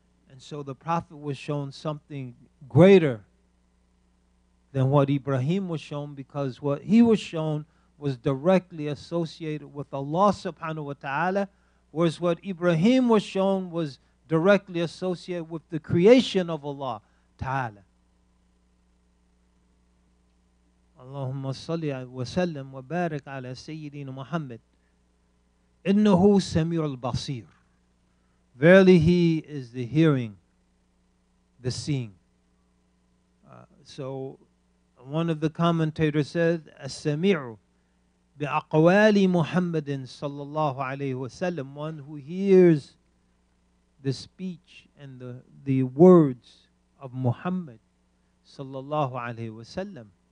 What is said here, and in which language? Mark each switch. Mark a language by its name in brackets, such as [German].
[English] And so the Prophet was shown something greater than what Ibrahim was shown, because what he was shown was directly associated with Allah subhanahu wa ta'ala, whereas what Ibrahim was shown was directly associated with the creation of Allah ta'ala. [Arabic] اللهم صل وسلم وبارك على سيدنا محمد إنه سميع البصير. [English] Verily he is the hearing, the seeing. So one of the commentators said, [Arabic] السميع بأقوال محمد صلى الله عليه وسلم, [English] one who hears the speech and the words of Muhammad صلى الله عليه وسلم.